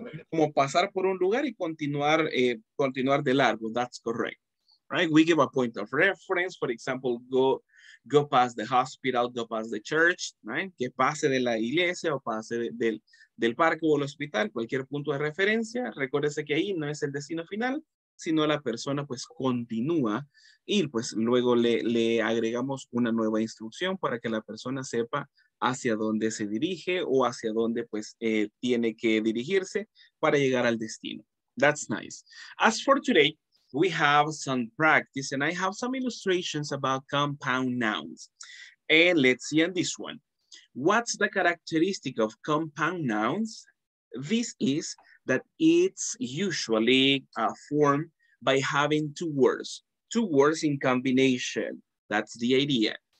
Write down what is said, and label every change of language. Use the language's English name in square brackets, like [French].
[Spanish] Como pasar por un lugar y continuar, continuar de largo. [English] That's correct. Right? We give a point of reference. For example, go past the hospital, go past the church. Right? [Spanish] Que pase de la iglesia o pase del parque o el hospital, cualquier punto de referencia, recuérdese que ahí no es el destino final, sino la persona pues continúa y pues luego le agregamos una nueva instrucción para que la persona sepa hacia dónde se dirige o hacia dónde pues tiene que dirigirse para llegar al destino. [English] That's nice. As for today, we have some practice and I have some illustrations about compound nouns. And let's see on this one. What's the characteristic of compound nouns? This is that it's usually formed by having two words in combination. That's the idea.